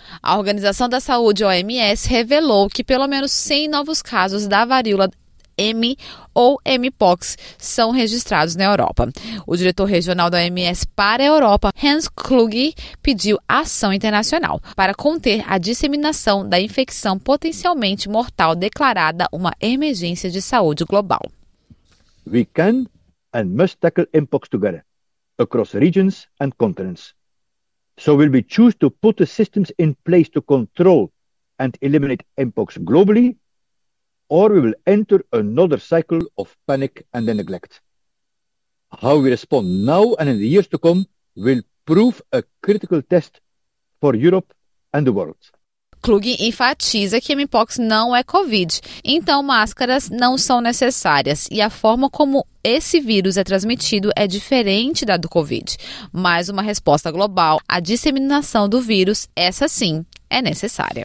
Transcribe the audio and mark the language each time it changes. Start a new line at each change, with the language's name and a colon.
Portuguese: A Organização da Saúde, OMS, revelou que pelo menos 100 novos casos da varíola M ou Mpox são registrados na Europa. O diretor regional da OMS para a Europa, Hans Kluge, pediu ação internacional para conter a disseminação da infecção potencialmente mortal declarada uma emergência de saúde global.
English: We can and must tackle Mpox together, across regions and continents. So will we choose to put the systems in place to control and eliminate Mpox globally, or we will enter another cycle of panic and then neglect? How we respond now and in the years to come will prove a critical test for Europe and the world.
Portuguese: Kluge enfatiza que Mpox não é Covid, então máscaras não são necessárias e a forma como esse vírus é transmitido é diferente da do Covid. Mas uma resposta global à disseminação do vírus, essa sim, é necessária.